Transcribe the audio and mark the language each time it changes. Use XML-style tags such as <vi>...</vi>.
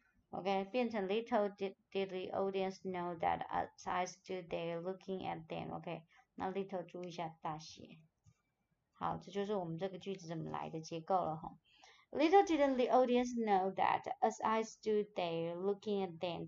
<en>OK，</en> <zh>变成</zh> <en>little did the audience know that as I stood there looking at them。</en> <zh>OK，那 little 注意一下大写。好，这就是我们这个句子怎么来的结构了哈。</zh> <en>Little didn't the audience know that as I stood there looking at them。</en>